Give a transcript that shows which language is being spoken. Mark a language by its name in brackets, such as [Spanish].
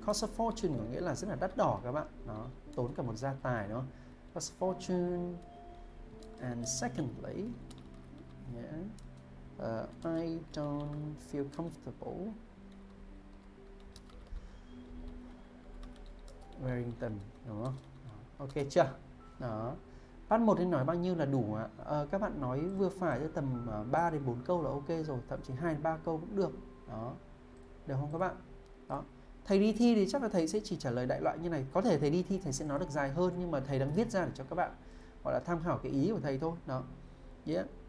[English] Cost a fortune [Vietnamese] có nghĩa là rất là đắt đỏ các bạn. Nó tốn cả một gia tài đó. [English] Cost a fortune. And secondly, yeah, I don't feel comfortable wearing them. [Vietnamese] Đúng không? Ok chưa? Đó. Part 1 thì nói bao nhiêu là đủ ạ? Các bạn nói vừa phải cho tầm 3 đến 4 câu là ok rồi. Thậm chí 2 đến 3 câu cũng được. Đó. Được không các bạn? Đó. Thầy đi thi thì chắc là thầy sẽ chỉ trả lời đại loại như này. Có thể thầy đi thi thầy sẽ nói được dài hơn, nhưng mà thầy đang viết ra để cho các bạn gọi là tham khảo cái ý của thầy thôi. Đó. Yeah.